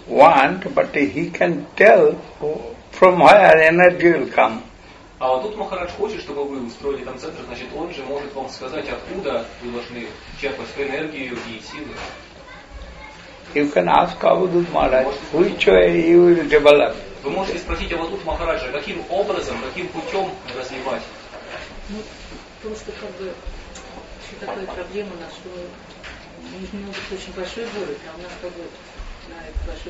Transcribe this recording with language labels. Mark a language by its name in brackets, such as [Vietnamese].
[English] Want, but he can tell from where energy will come. [Russian] А тут Махарадж хочет, чтобы вы устроили там центр, значит, он же может вам сказать, откуда вы должны черпать энергию и силы. [English] You can ask Avadhut Maharaj, which way you will develop. [Russian] Вы можете спросить Авадхут Махараджа, каким образом, каким путем развивать. Ну, просто как бы, что такое проблема у нас, что нужно очень большой город, а у нас как бы